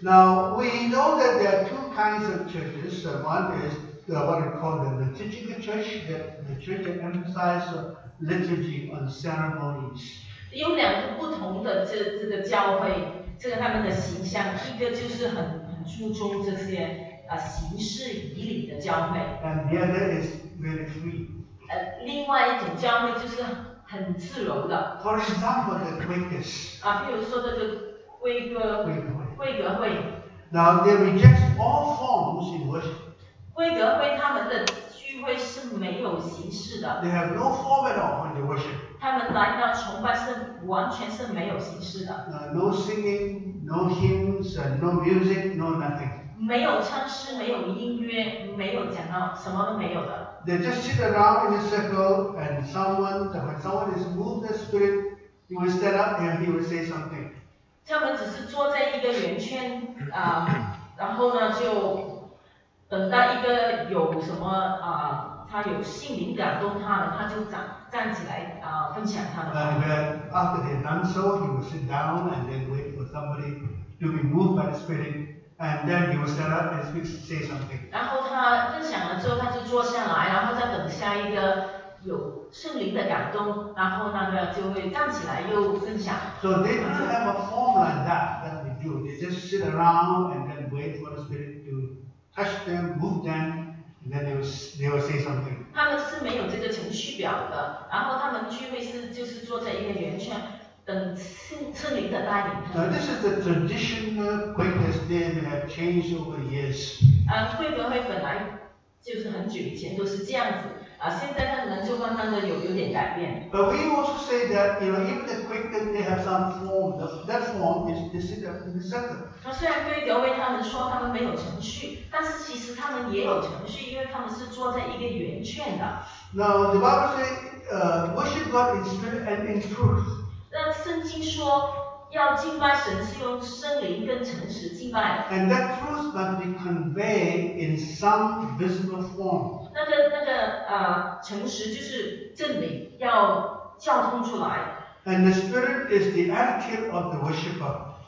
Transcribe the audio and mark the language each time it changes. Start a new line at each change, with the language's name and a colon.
English: Now we know that there are two kinds of churches. One is what we call the liturgical church, the church that emphasizes liturgy on ceremonies.
Chinese: 有两个不同的这个教会，这个他们的形象，一个就是很注重这些形式仪礼的教会。
English: And the other is very free.
Chinese: 另外一种教会就是很自由的。
English: For example, the Quakers.
Chinese: 比如说这个贵格会。
English: Now they reject all forms in worship.
Chinese: 贵格会他们的聚会是没有形式的。
English: They have no form at all when they worship.
Chinese: 他们来到崇拜是完全是没有形式的。
English: No singing, no hymns, no music, no nothing.
Chinese: 没有唱诗，没有音乐，没有讲到，什么都没有的。
English: They just sit around in a circle, and when someone is moved the spirit, he will stand up and he will say something.
Chinese: 他们只是坐在一个圆圈，然后呢就等待一个有什么他有心灵感动他了，他就站起来分享他的。
English: And then after they've done so, he will sit down and then wait for somebody to be moved by the spirit. And then he will stand up and speak, say something.
Chinese: 然后他分享了之后，他就坐下来，然后再等下一个有圣灵的感动，然后那个就会站起来又分享。
English: So they don't have a form like that we do. They just sit around and then wait for the spirit to touch them, move them, And then they will say something.
Chinese: 他们是没有这个程序表的，然后他们聚会是就是坐在一个圆圈，等圣灵的带领。
English: Now this is the traditional Quakers day that have changed over the years.
Chinese: 会不会本来就是很久以前都是这样子？现在他们就慢慢的有点改变。
English: But we also say that, you know, even the Quakers they have some form. That form is disciplined in the center.
Chinese: 虽然贵格为他们说他们没有程序，但是其实他们也有程序，因为他们是坐在一个圆圈的。
English: Now the Bible says, worship God in spirit and in truth.
Chinese: 那圣经说要敬拜神是用圣灵跟诚实敬拜。
English: And that truth must be conveyed in some visible form.
Chinese: 那个诚实就是证明要交通出来。
English: And the spirit is the attitude of the worshipper.